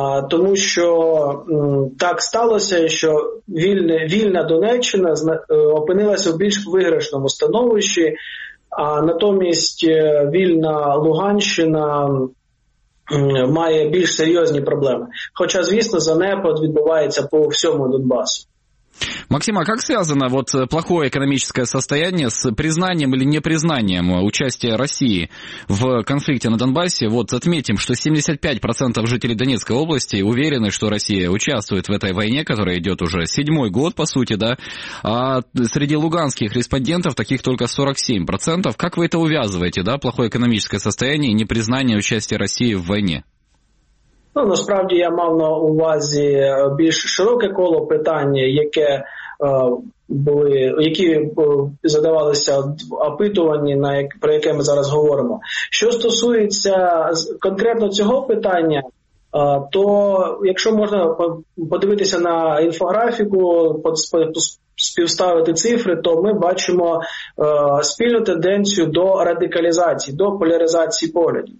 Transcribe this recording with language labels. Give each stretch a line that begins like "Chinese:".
Ukrainian: Тому що так сталося, що вільна Донеччина опинилася в більш виграшному становищі, а натомість вільна Луганщина має більш серйозні проблеми. Хоча, звісно, занепад відбувається по всьому Донбасу.
Russian: Максим, а как связано вот плохое экономическое состояние с признанием или непризнанием участия России в конфликте на Донбассе? Вот отметим, что 75% жителей Донецкой области уверены, что Россия участвует в этой войне, которая идет уже 7-й год, по сути, да? А среди луганских респондентов таких только 47%. Как вы это увязываете, да, плохое экономическое состояние и непризнание участия России в войне?
Ukrainian: Ну, насправді я мав на увазі більш широке коло питань, яке були, які задавалися в опитуванні, про яке ми зараз говоримо. Що стосується конкретно цього питання, то якщо можна подивитися на інфографіку, співставити цифри, то ми бачимо спільну тенденцію до радикалізації, до поляризації поглядів.